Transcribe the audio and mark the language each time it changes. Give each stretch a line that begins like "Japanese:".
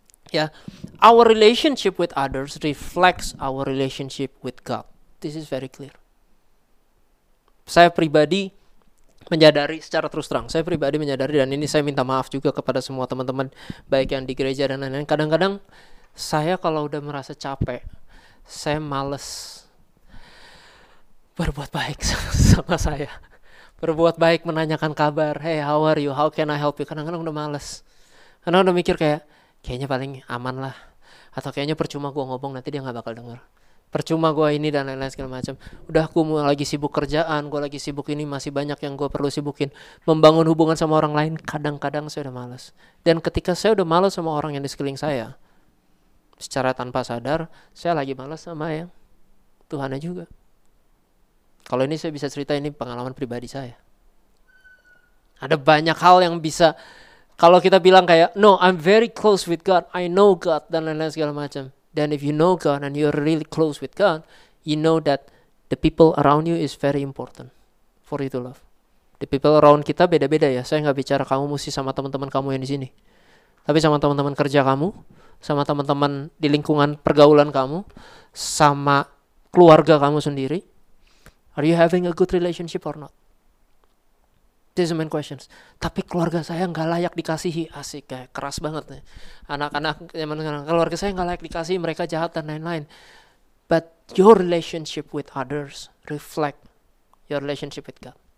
English: Ya, our relationship with others reflects our relationship with God. This is very clear.
Indonesian: Saya pribadi menyadari secara terus terang. Saya pribadi menyadari dan ini saya minta maaf juga kepada semua teman-teman baik yang di gereja dan lain-lain. Kadang-kadang saya kalau udah merasa capek, saya malas berbuat baik sama saya. Berbuat baik menanyakan kabar,
English: "Hey, how are you? How can I help you?"
Indonesian: Kadang-kadang udah malas. Kadang-kadang udah mikir kayak kayaknya paling aman lah. Atau kayaknya percuma gue ngomong, nanti dia gak bakal dengar. Percuma gue ini dan lain-lain segala macam. Udah gue lagi sibuk kerjaan, gue lagi sibuk ini, masih banyak yang gue perlu sibukin. Membangun hubungan sama orang lain, kadang-kadang saya udah malas. Dan ketika saya udah malas sama orang yang di sekeliling saya, secara tanpa sadar, saya lagi malas sama yang Tuhannya juga. Kalau ini saya bisa cerita, ini pengalaman pribadi saya. Ada banyak hal yang bisa. Kalau kita bilang kayak,
English: no, I'm very close with God, I know God,
Indonesian: dan lain-lain segala macam.
English: Then if you know God and you're really close with God, you know that the people around you is very important for you to love. The people around
Indonesian: kita beda-beda ya. Saya nggak bicara kamu mesti sama teman-teman kamu yang di sini. Tapi sama teman-teman kerja kamu, sama teman-teman di lingkungan pergaulan kamu, sama keluarga kamu sendiri.
English: Are you having a good relationship or not? These main questions.
Indonesian: Tapi keluarga saya gak layak dikasihi. Asik, kayak keras banget nih. Anak-anak, keluarga saya gak layak dikasihi. Mereka jahat dan lain-lain.
English: But your relationship with others reflect your relationship with God.